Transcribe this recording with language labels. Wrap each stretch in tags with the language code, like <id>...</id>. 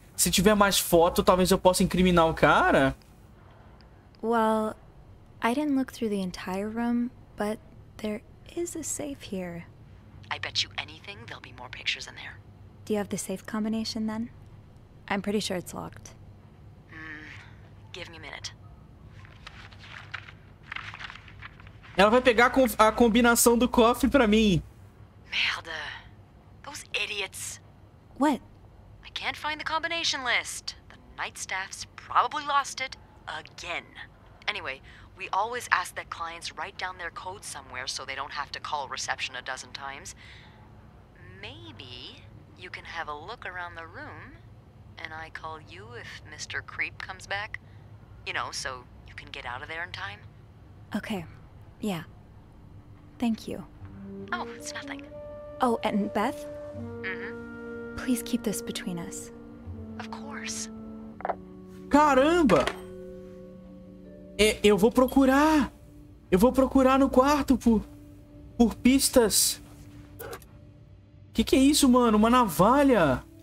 <pt>Se tiver mais foto, talvez eu possa incriminar o cara.</pt> <en>Well, I didn't look through the entire room, but there is a safe here. I bet you anything there'll be more pictures in there. Do you have the safe combination then? I'm pretty sure it's locked. Give me a minute.</en> <pt>Ela vai pegar a combinação do cofre pra mim. Merda.</pt> <en>Those idiots. What? I can't find the combination list. The night staff's probably lost it again. Anyway, we always ask that clients write down their code somewhere so they don't have to call reception a dozen times. Maybe you can have a look around the room and I call you if Mr. Creep comes back. You know, so you can get out of there in time. Okay. Yeah. Thank you. Oh, it's nothing. Oh, and Beth? Mm-hmm. Please keep this between us. Of course.</en> <pt>Caramba! Eu vou procurar no quarto por pistas. Que é isso, mano? Uma navalha.</pt>